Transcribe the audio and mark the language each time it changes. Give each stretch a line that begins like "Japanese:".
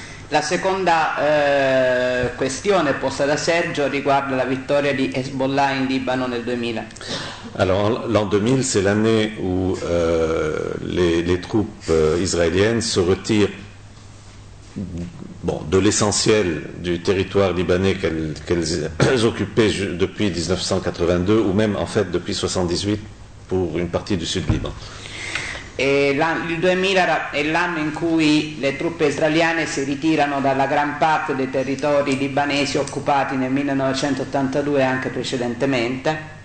Italian: La seconda questione posta da Sergio riguarda la vittoria di Hezbollah in Libano nel 2000.
French: Alors, l'an 2000, c'est l'année où les troupes israéliennes se retirent. De l'essentiel du territoire libanais qu'elles occupaient depuis 1982 ou même en fait depuis 1978 pour une partie du sud Liban.
Italian: Et il 2000 est l'anno in cui le truppe israeliane si ritirano dalla gran parte dei territori libanesi occupati nel 1982 anche precedentemente.